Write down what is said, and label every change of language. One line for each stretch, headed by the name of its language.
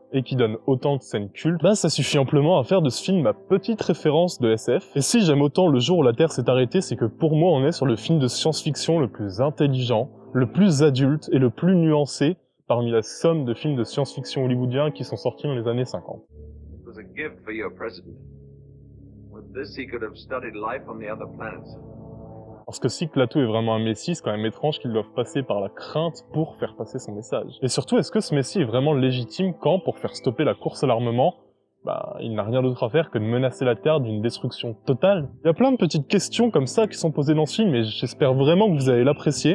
French: et qui donne autant de scènes cultes, bah ça suffit amplement à faire de ce film ma petite référence de SF. Et si j'aime autant le jour où la Terre s'est arrêtée, c'est que pour moi on est sur le film de science-fiction le plus intelligent, le plus adulte et le plus nuancé parmi la somme de films de science-fiction hollywoodiens qui sont sortis dans les années 50.
English: It was a gift for your president. With this he could have studied life on the other planets.
French: Parce que si Klaatu est vraiment un messie, c'est quand même étrange qu'il doive passer par la crainte pour faire passer son message. Et surtout, est-ce que ce messie est vraiment légitime quand, pour faire stopper la course à l'armement, il n'a rien d'autre à faire que de menacer la Terre d'une destruction totale? Il y a plein de petites questions comme ça qui sont posées dans ce film, et j'espère vraiment que vous allez l'apprécier.